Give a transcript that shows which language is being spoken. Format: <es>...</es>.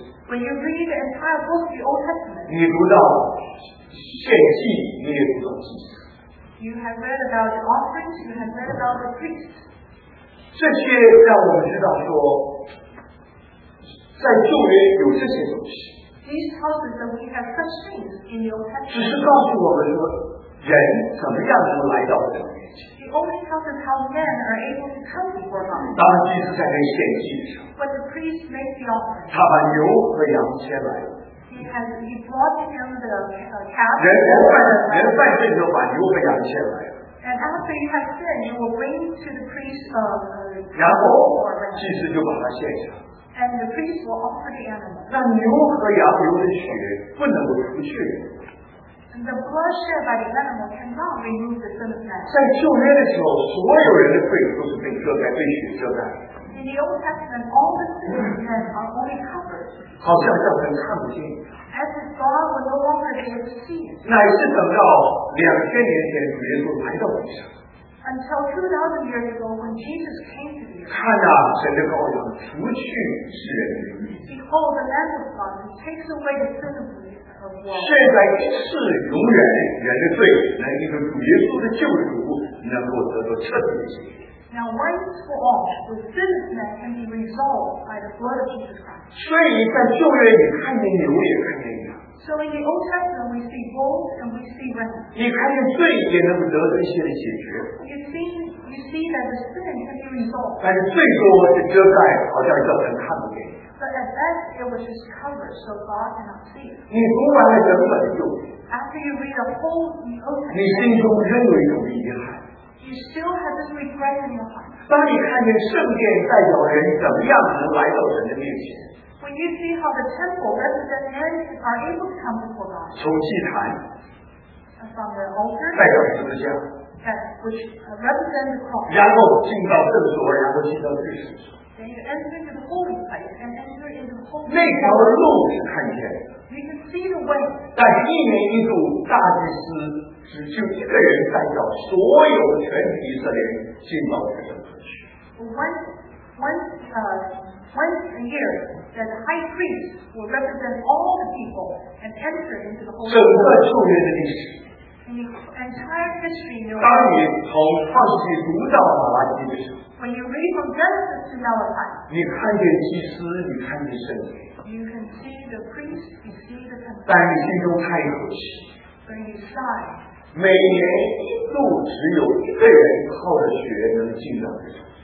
<en>When you read the entire book of the Old Testament,</en> <zh>你读到献祭，你也读到祭司。</zh> <en>You have read about the offerings, you have read about the priests.</en> <zh>这些让我们知道说在旧约有这些东西。</zh> <en>These tell us that we have such things in the Old Testament.</en> <zh>只是告诉我们说人怎么样能来到这里。</zh> <en>The only tells how men are able to come before God.</en> <zh>当然祭司在那献祭上。</zh> <en>But the priest makes the offering.</en> <zh>他把牛和羊牵来。</zh> <en>He brought him the calf.</en> <zh>人犯罪就把牛和羊牵来。</zh> <en>And after you have sinned, you will bring to the priest the calf.</en> <zh>然后祭司就把它献上。</zh> <en>And the priest will offer the animal.</en> <zh>那牛和羊流的血不能够除去。</zh> <en>The blood shed by the animal cannot remove the sin of man.</en> <zh>在旧约的时候，所有人的罪都是被遮盖、被血遮盖。</zh> <en>In the Old Testament, all the sins of men are only covered.</en> <zh>好像叫人看不见。</zh> <en>As if God were no longer able to see.</en> <zh>乃是等到2000年前主耶稣来到地上。</zh> <en>Until 2000 years ago, when Jesus came to the earth,</en> <zh>看哪，神的羔羊，除去世人的罪。</zh> <en>Behold, the Lamb of God, who takes away the sin of men.</en> <zh>现在一世永远人的罪，乃因着主耶稣的救赎，能够得到彻底的解决。</zh> <en>Now, once for all, the sin of man can be resolved by the blood of Jesus Christ.</en> <zh>所以在旧约里看见牛也看见羊。</zh> <en>So in the Old Testament, we see bulls and we see rams.</en> <zh>你看见罪也能够得到一些的解决。</zh> <en>You see that the sin can be resolved.</en> <zh>但是罪说我是遮盖，好像叫人看不见。</zh> <en>But at best, it was just covered, so God cannot see.</en> <zh>你读完了整本旧约。</zh> <en>After you read a whole New Testament,</en> <zh>你心中仍有一种遗憾。</zh> <en>You still have this regret in your heart.</en> <zh>当你看见圣殿代表人怎么样能来到神的面前。</zh> <en>When you see how the temple represents men are able to come before God.</en> <zh>从祭坛。</zh> <en>From the altar.</en> <zh>代表十字架。</zh> <en>That which represents the cross.</en> <zh>然后进到圣所，然后进到至圣所。</zh> <en>Then you enter into the holy place and enter into the holy place.</en> <zh>那条路是看见。</zh> <en>You can see the way.</en> <zh>但一年一度大祭司。只就一个人代表所有全体以色列进到神的圣所去。</zh> <en>Once a year, the high priest will represent all the people and enter into the holy.</en> <zh>整个旧约的历史。</zh> <en>Entire history.</en> <zh>当你从创世纪读到马拉基的时候。</zh> <en>When you read from Genesis to Malachi.</en> <zh>你看见祭司，你看见圣殿。</zh> <en>You can see the priest, you see the temple.</en> <zh>但你心中叹一口气。</zh> <en>When you sigh.</en> <zh>每年一度只有一个人靠着血能进到这场。</zh>